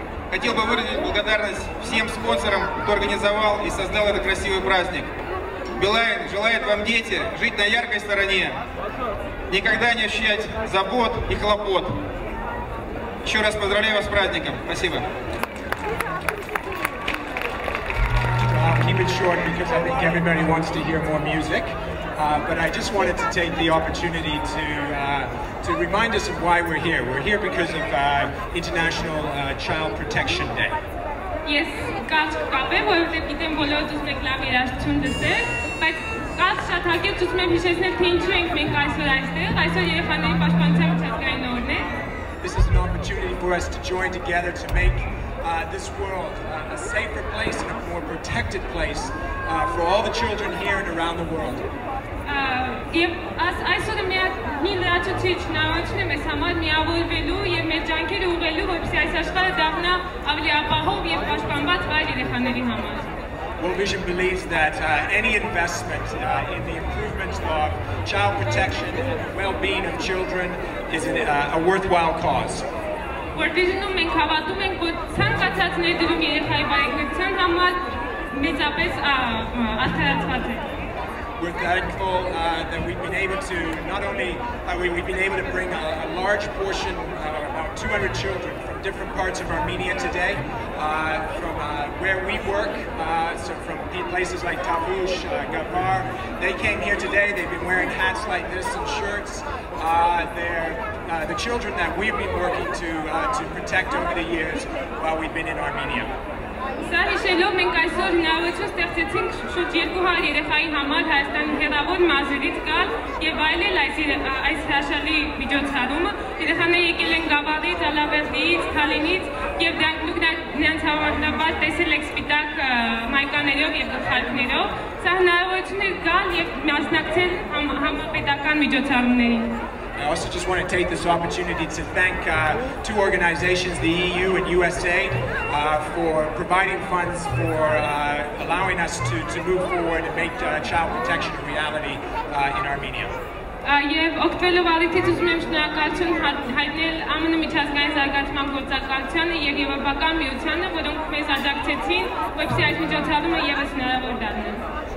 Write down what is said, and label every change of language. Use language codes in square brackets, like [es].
[ru] Хотел бы выразить благодарность всем спонсорам, кто организовал и создал этот красивый праздник. Билайн желает вам, дети, жить на яркой стороне, никогда не ощущать забот и хлопот. Еще раз поздравляю вас с праздником. Спасибо. [en] keep it short because I think everybody wants to hear more music. But I just wanted to take the opportunity to remind us of why we're here. We're here because of International Child Protection Day. [hy] Ես կարծ կկապեմ, որովհետև գիտեմ բոլորը ուզում եք լավ երաժշտություն լսել, բայց կարծ շատ հակեր ուզում եմ հիշեցնել, թե ինչու ենք մենք այսօր այստեղ, այսօր երեխաների պաշտպանության միջազգային օրն է. [en] This is an opportunity for us to join together to make this world a safer place and a more protected place for all the children here and around the world. [hy] Եվ այսօրը մի լրացուցիչ հնարավորություն է մեզ համար միավորվելու և մեր ջանքերը ուղղելու, որպեսզի այս աշխարհը դառնա ավելի ապահով և պաշտպանված վայր երեխաների համար. [en] World Vision believes that any investment in the improvement of child protection and the well-being of children is a worthwhile cause. [hy] World Vision-ում մենք հավատում ենք, որ ցանկացած ներդրում երեխայի բարեկեցության համար մեծապես արդարացված է. [en] We're thankful that we've been able to not only we've been able to bring a large portion, about 200 children from different parts of Armenia today, from where we work, so from places like Tavush, Gabar. They came here today. They've been wearing hats like this and shirts. The children that we've been working to protect over the years while we've been in Armenia. [hy] Սա հիշելով մենք այսօր հնարավորություն ստեղծեցինք շուտ 200 երեխայի համար Հայաստանի հեռավոր մազերից գալ և այլել այս հրաշալի միջոցառումը։ Երեխաները եկել են Գավառից, Ալավերդից, Թալինից և դուք նրանց հավանաբար տեսել եք սպիտակ մայկաներով և գլխարկներով։ Սա հնարավորություն է գալ և մասնակցել համապետական միջոցառումներին։ [en] I also just want to take this opportunity to thank two organizations, the EU and USA, for providing funds for allowing us to move forward and make child protection a reality in Armenia. [hy] Եվ օգտվելով առիթից ուզում եմ շնորհակալություն հայտնել ԱՄՆ միջազգային զարգացման գործակալությանը և Եվրոպական միությանը, որոնք մեզ աջակցեցին, որպեսզի այս միջոցառումը ևս հնարավոր դառնա։